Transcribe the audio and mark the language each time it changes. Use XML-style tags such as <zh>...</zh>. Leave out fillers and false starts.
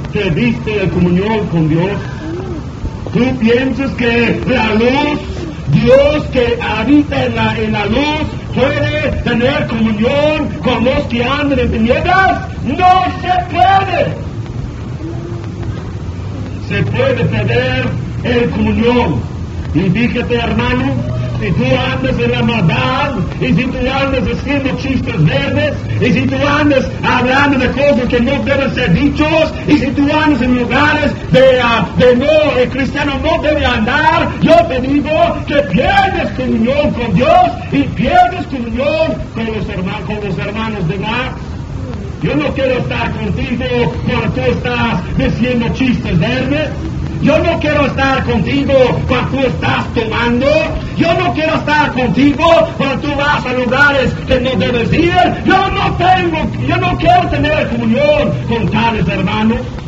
<es>¿Te diste la comunión con Dios? ¿Tú piensas que la luz, Dios que habita en la luz, puede tener comunión con los que andan en tinieblas? ¡No se puede! Se puede tener el comunión. Y fíjate, hermano,</es> <pt>se tu andas em Ramadan, e se tu andas escrevendo</pt> <es>chistes verdes,</es> <pt>e se tu andas falando de coisas que não devem ser ditas, e se tu andas em lugares de não,</pt> <es>o cristiano</es> <pt>não deve andar, eu te digo que</pt> <es>pierdes</es> <pt>comunhão com Deus e pierdes comunhão com os irmãos, com os hermanos de Max.</pt> <es>Yo no quiero estar contigo cuando tú estás diciendo chistes verdes. Yo no quiero estar contigo cuando tú estás tomando. Yo no quiero estar contigo cuando tú vas a lugares que no debes ir. Yo no quiero tener comunión con tales hermanos.</es>